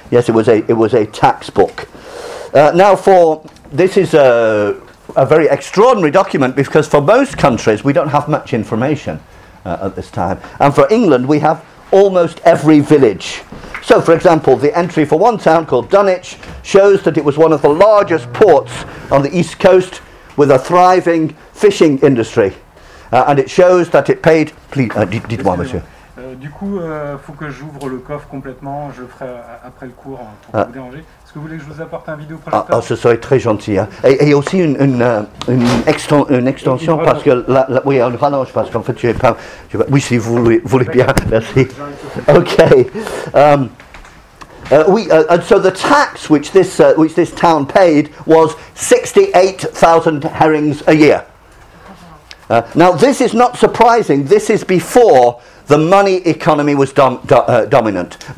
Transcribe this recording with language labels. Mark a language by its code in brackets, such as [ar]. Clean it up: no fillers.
[en] Yes, it was a tax book. This is a very extraordinary document, because for most countries we don't have much information at this time, and for England we have almost every village. So, for example, the entry for one town called Dunwich shows that it was one of the largest ports on the east coast, with a thriving fishing industry, and it shows that it paid. Please, [fr] dites-moi, monsieur. Du coup, faut que j'ouvre le coffre complètement. Je le ferai après le cours, hein, pour vous déranger. Est-ce que vous voulez que je vous apporte un vidéo projecteur? Ce serait très gentil. Hein. Et aussi une extension, parce que là, oui, une rallonge, parce qu'en fait, oui, si vous voulez bien, merci. Ok. [en] So the tax which this town paid was 68,000 herrings a year. Now, this is not surprising. This is before the money economy was dominant.